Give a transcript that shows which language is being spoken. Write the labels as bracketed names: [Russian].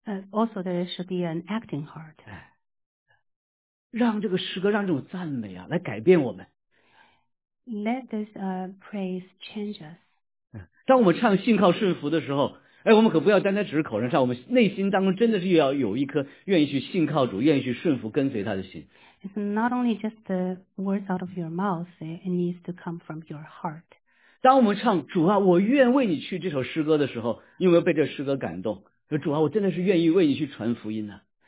[English] Also there should be an acting heart. [Chinese] 让这个诗歌，让这种赞美来改变我们。 [English] Let this praise change us. [Chinese] 当我们唱信靠顺服的时候，我们可不要单单只是口上唱，我们内心当中真的是要有一颗愿意去信靠主、愿意去顺服跟随他的心。 [English] It's not only just the words out of your mouth; it needs to come from your heart. [Chinese] 当我们唱主啊，我愿为你去这首诗歌的时候，你有没有被这诗歌感动？主啊，我真的是愿意为你去传福音呢。